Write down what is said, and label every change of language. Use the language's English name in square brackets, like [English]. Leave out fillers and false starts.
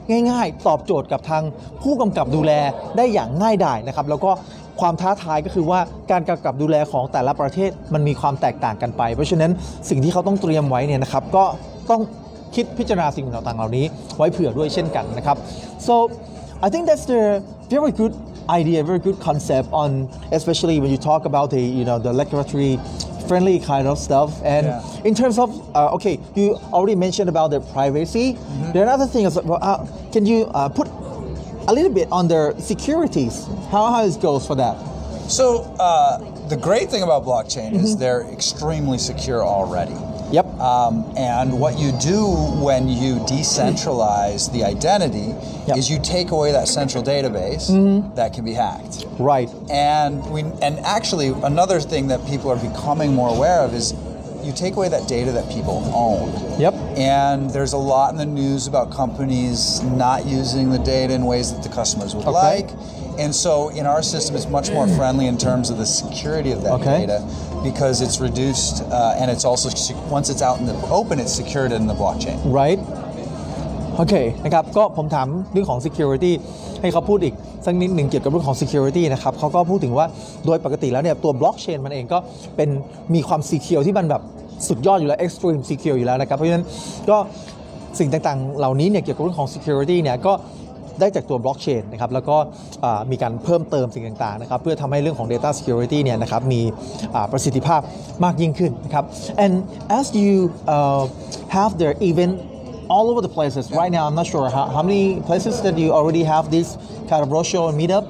[Thai] ง่ายๆตอบโจทย์กับทางผู้กำกับดูแลได้อย่างง่ายดายนะครับแล้วก็ความท้าทายก็คือว่าการกำกับดูแลของแต่ละประเทศมันมีความแตกต่างกันไปเพราะฉะนั้นสิ่งที่เขาต้องเตรียมไว้เนี่ยนะครับก็ต้องคิดพิจารณาสิ่งต่างๆเหล่านี้ไว้เผื่อด้วยเช่นกันนะครับ [English] So I think that's the very good idea, very good concept on especially when you talk about the the regulatory friendly kind of stuff and in terms of you already mentioned about the privacy. The other thing is can you put a little bit on the securities? How it goes for that? So the great thing about blockchain is they're extremely secure already. Yep. And what you do when you decentralize the identity is you take away that central database that can be hacked. Right. And actually, another thing that people are becoming more aware of is you take away that data that people own. Yep. And there's a lot in the news about companies not using the data in ways that the customers would like. And so in our system, it's much more friendly in terms of the security of that data because it's reduced and it's also, once it's out in the open, it's secured in the blockchain. Right. Okay. [Thai] นะครับก็ผมถามเรื่องของ security ให้เขาพูดอีกสักนิดหนึ่งเกี่ยวกับเรื่องของ security นะครับเขาก็พูดถึงว่าโดยปกติแล้วเนี่ยตัว blockchain มันเองก็เป็นมีความ secure ที่มันแบบสุดยอดอยู่แล้ว extreme secure อยู่แล้วนะครับเพราะฉะนั้นก็ สิ่งต่างๆเหล่านี้เนี่ยเกี่ยวกับเรื่องของ security เนี่ยก็ได้จากตัวบล็อกเชนนะครับแล้วก็มีการเพิ่มเติมสิ่งต่างๆนะครับเพื่อทำให้เรื่องของ data security เนี่ยนะครับมีประสิทธิภาพมากยิ่งขึ้นนะครับ [English] and as you have the event all over the places right now I'm not sure how many places that you already have this kind of roadshow and meetup